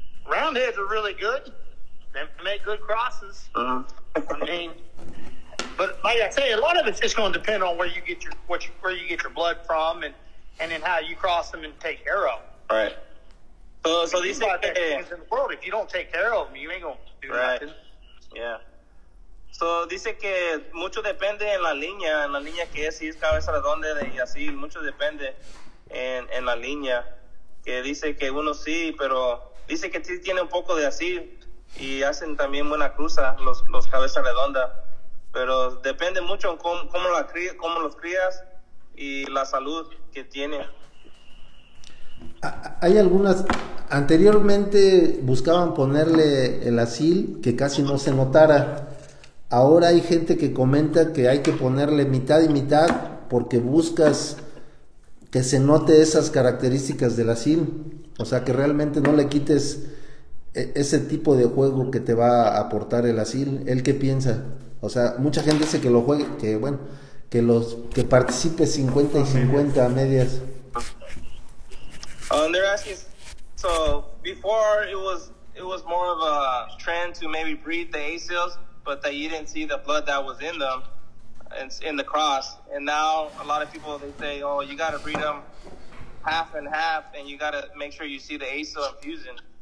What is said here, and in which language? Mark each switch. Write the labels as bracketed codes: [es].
[en] Roundheads are really good. They make good crosses. Uh-huh. I mean, but like I say, a lot of it's just going to depend on where you get your blood from, and then how you cross them and take care of them. All right. So these are the things in the world. If you don't take care of them, you ain't gonna do right. Nothing. Yeah. [es] So dice que mucho depende en la línea que es, si es cabeza redonda y así, mucho depende en la línea. Que dice que uno sí, pero dice que sí tiene un poco de así y hacen también buena cruza los cabeza redonda. Pero depende mucho en cómo los crías y la salud que tiene. Hay algunas, anteriormente buscaban ponerle el asil que casi no se notara. Ahora hay gente que comenta que hay que ponerle mitad y mitad porque buscas que se note esas características del asil. O sea, que realmente no le quites ese tipo de juego que te va a aportar el asil. ¿Él qué piensa? O sea, mucha gente dice que lo juegue, que bueno, que participe 50 y 50 a medias. [en] And they're asking, so before it was more of a trend to maybe breed the A-cells, but that you didn't see the blood that was in them. in the cross. And now a lot of people, they say, oh, you got to breed them half and half, and you got to make sure you see the ASO infusion.